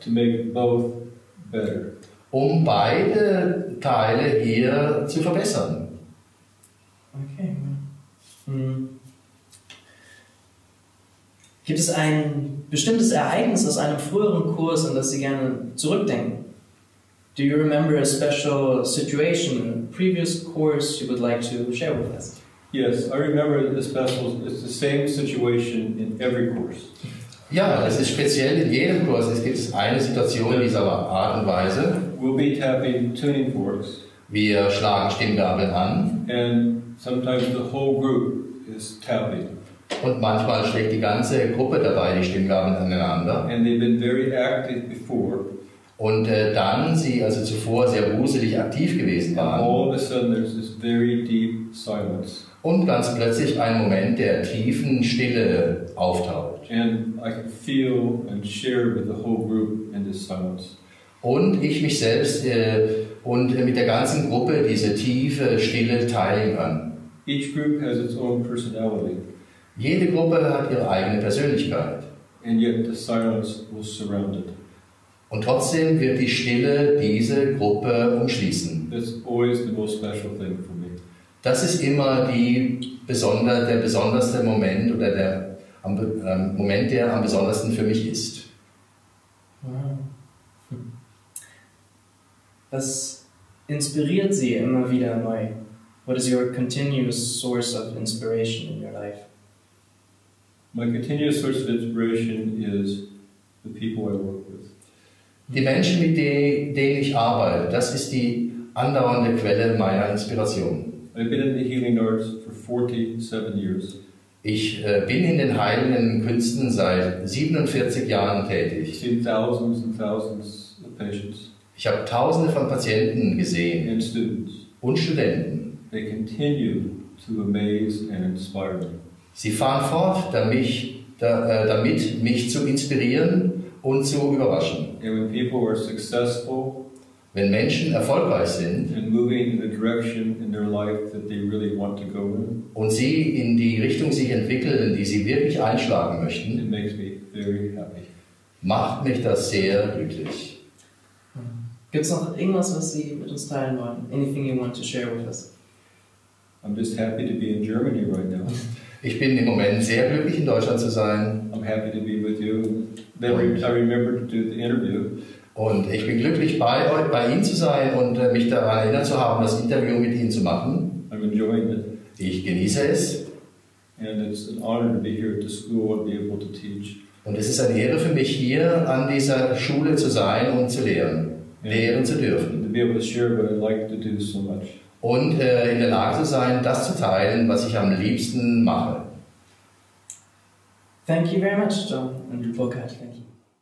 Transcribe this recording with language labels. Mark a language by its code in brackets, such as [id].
[en] to make both better. [de] Um beide Teile hier zu verbessern. Okay. Gibt es ein bestimmtes Ereignis aus einem früheren Kurs, an das Sie gerne zurückdenken? [en] Do you remember a special situation in a previous course you would like to share with us? Yes, I remember the special. It's the same situation in every course. [de] Ja, das ist speziell in jedem Kurs. Es gibt eine Situation dieser Art und Weise. [en] We'll be tapping tuning forks. [de] Wir schlagen Stimmgabeln an. [en] And sometimes the whole group is tapping. [de] Und manchmal schlägt die ganze Gruppe dabei die Stimmgabeln aneinander. [en] And they've been very active before. [de] Und dann sie also zuvor sehr wuselig aktiv gewesen waren. [en] And all of a sudden there's this very deep silence. [de] Und ganz plötzlich ein Moment der tiefen Stille auftaucht. [en] And I can feel and share with the whole group in this silence. [de] Und ich mich selbst mit der ganzen Gruppe diese tiefe Stille teilen kann. [en] Each group has its own personality. [de] Jede Gruppe hat ihre eigene Persönlichkeit. [en] And yet the silence was surrounded. [de] Und trotzdem wird die Stille diese Gruppe umschließen. [en] That's always the most special thing for me. [de] Das ist immer der besonderste Moment oder der Moment, der am besondersten für mich ist. Was inspiriert Sie immer wieder neu? [en] What is your continuous source of inspiration in your life? My continuous source of inspiration is the people I work with. [de] Die Menschen, mit denen ich arbeite, das ist die andauernde Quelle meiner Inspiration. [en] I've been in the healing arts for 47 years. [de] Ich bin in den heilenden Künsten seit 47 Jahren tätig. [en] I've seen thousands and thousands of patients. [de] Ich habe tausende von Patienten gesehen [en] and students. [de] Und Studenten. [en] They continue to amaze and inspire me. [de] Sie fahren fort, damit mich zu inspirieren und zu überraschen. [en] And when people are successful, [de] wenn Menschen erfolgreich sind und sie in die Richtung sich entwickeln, die sie wirklich einschlagen möchten, [en] it makes me very happy. [de] Macht mich das sehr glücklich. Gibt es noch irgendwas, was Sie mit uns teilen wollen? [en] Anything you want to share with us? I'm just happy to be in Germany right now. [de] Ich bin im Moment sehr glücklich, in Deutschland zu sein. [en] I'm happy to be with you. I remember to do the interview. [de] Und ich bin glücklich, bei Ihnen zu sein und mich daran erinnert zu haben, das Interview mit Ihnen zu machen. [en] I'm enjoying it. [de] Ich genieße es. [en] And it's an honor to be here at the school and be able to teach. [de] Und es ist eine Ehre für mich, hier an dieser Schule zu sein und zu lehren zu dürfen. [en] And to be able to share what I like to do so much. [de] Und in der Lage zu sein, das zu teilen, was ich am liebsten mache. [en] Thank you very much, John and Burkhard. Thank you.